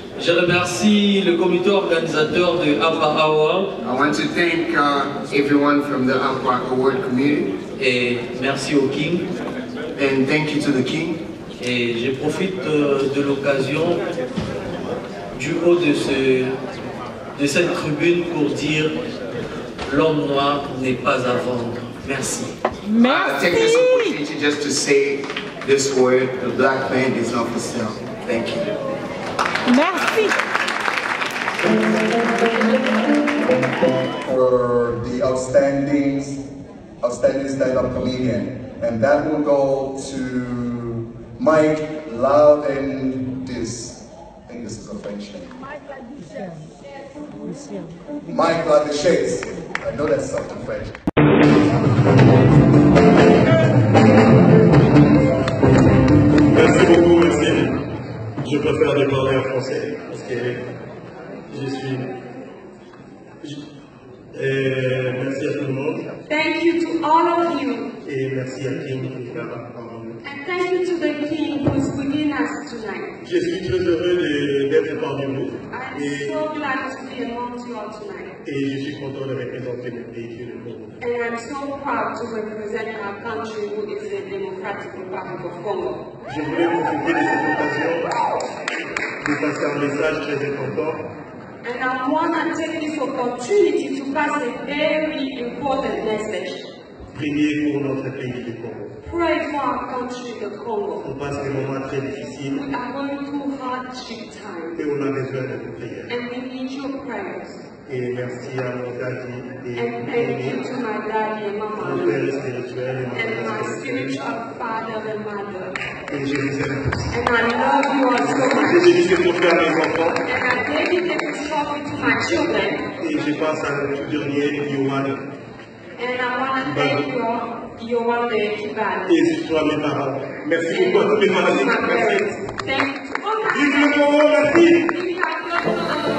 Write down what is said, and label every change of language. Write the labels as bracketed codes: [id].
[fr] Je remercie le comité organisateur de APA Award. [en] I want to thank everyone from the APA Award community. [fr] Et merci au King. [en] And thank you to the King. [fr] Et je profite de l'occasion du haut de cette tribune pour dire l'homme noir n'est pas à vendre. Merci. [en] Take this opportunity just to say this word, the black man is not for sale. Thank you. [fr] Merci. [en] For the outstanding stand-up comedian. And that will go to Mike, love and this. I think this is a French name. Mike La Duchesse. I know that's something French. [fr] Merci beaucoup, merci. Je préfère demander en français parce que je suis. Et merci à tout le monde. [en] Thank you to all of you. [fr] Et merci à King qui est là. [en] And thank you to the King who's within us tonight. [fr] Je suis très heureux d'être parmi vous. [en] I'm et so glad to be among you all tonight. [fr] Et je suis content de représenter le pays qui est le Congo. [en] And I'm so proud to represent our country who is the Democratic Republic of Congo. [fr] Je voulais profiter de cette occasion de passer un message très important. [en] And I want to take this opportunity to pass a very important message. [fr] Priez pour notre pays du Congo. [en] Pray for our country, the Congo. [fr] On passe des moments très difficiles. [en] We are going through hardship times. [fr] Et on a besoin de vos prières. [en] And we need your prayers. [fr] Et merci à mon daddy et [en] And thank you to my daddy and mama. [fr] Mon père spirituel et ma mère spirituelle. [en] And my spiritual father and mother. [fr] Et je les aime tous. [en] And I love you all so much. [fr] Et je les aime tous. [en] And I dedicate this coffee to my children. [fr] Et je passe à la toute dernière, Yohana. [en] And I want to thank you all. You are the equivalent. Yes, it's true, my parents. [fr] Merci beaucoup, [en] my parents. Thank you.